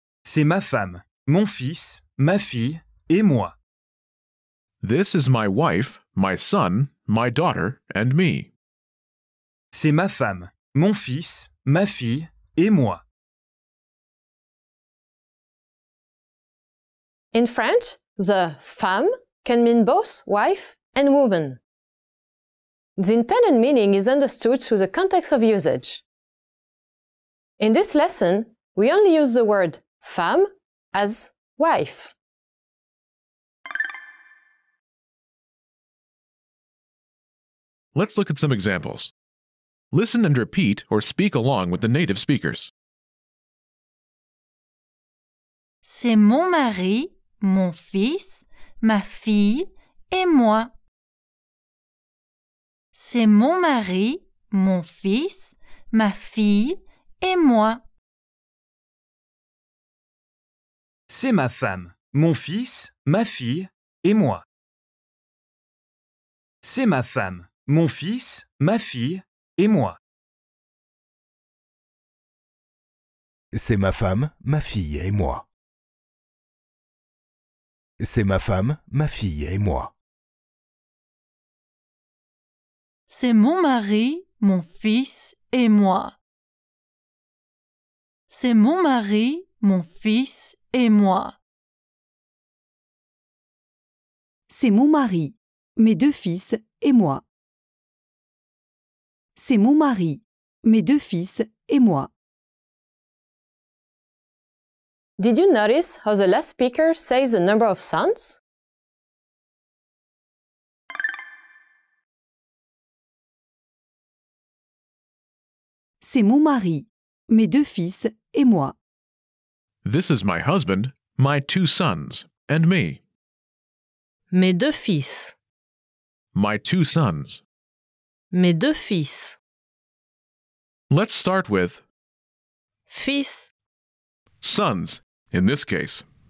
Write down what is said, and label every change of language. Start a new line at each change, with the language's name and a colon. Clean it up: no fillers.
French: C'est ma femme, mon fils, ma fille et moi.
English: This is my wife, my son, my daughter and me.
French: C'est ma femme, mon fils, ma fille et moi.
English: In French, the femme can mean both wife and woman. The intended meaning is understood through the context of usage. In this lesson, we only use the word femme as wife. Let's look at some examples. Listen and repeat or speak along with the native speakers.
French: C'est mon mari, mon fils, ma fille et moi. C'est mon mari, mon fils, ma fille et moi. C'est ma femme, mon fils, ma fille et moi. C'est ma femme, mon fils, ma fille et moi. C'est ma femme, ma fille et moi. C'est ma femme, ma fille et moi. C'est mon mari, mon fils et moi. C'est mon mari, mon fils et moi. C'est mon mari, mes deux fils et moi. C'est mon mari, mes deux fils et moi.
English: Did you notice how the last speaker says the number of sons?
French: C'est mon mari, mes deux fils et moi.
English: This is my husband, my two sons, and me.
French: Mes deux fils.
English: My two sons.
French: Mes deux fils.
English: Let's start with
French: fils.
English: Sons, in this case.